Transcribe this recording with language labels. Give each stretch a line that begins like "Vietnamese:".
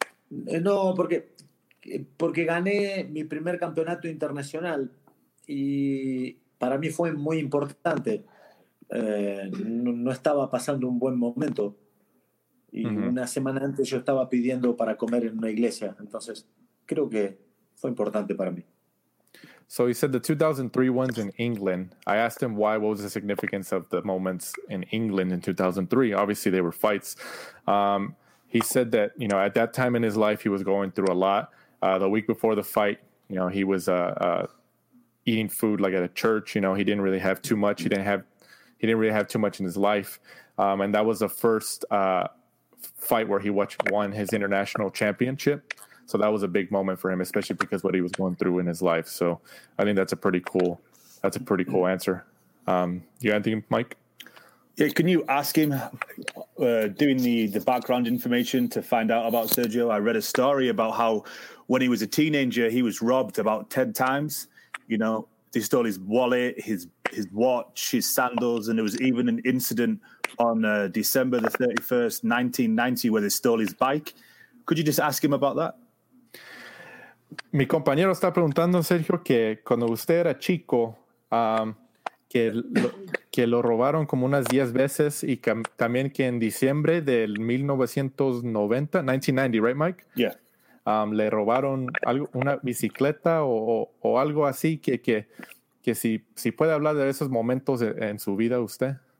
Spanish: No, porque gané mi primer campeonato internacional y para mí fue muy importante. No estaba pasando un buen momento y uh-huh. una semana antes yo estaba pidiendo para comer en una iglesia, entonces creo que fue importante para mí.
English: So he said the 2003 ones in England. I asked him why, what was the significance of the moments in England in 2003. Obviously they were fights. He said that, you know, at that time in his life he was going through a lot. The week before the fight, you know, he was eating food like at a church. You know, he didn't really have too much. He didn't really have too much in his life. And that was the first fight where he won his international championship. So that was a big moment for him, especially because what he was going through in his life. So I think that's a pretty cool answer. You got anything, Mike? Yeah, can you ask him, doing the background information to find out about Sergio? I read a story about how when he was a teenager, he was robbed about 10 times. You know, they stole his wallet, his watch, his sandals, and there was even an incident on December the 31st, 1990, where they stole his bike. Could you just ask him about that?
Spanish: Mi compañero está preguntando, Sergio, que cuando usted era chico, que lo robaron como unas 10 veces y también que en diciembre del 1990,
English: right, Mike? Yeah.
Spanish: Le robaron algo, una bicicleta o algo así que si puede hablar de esos momentos en su vida, usted.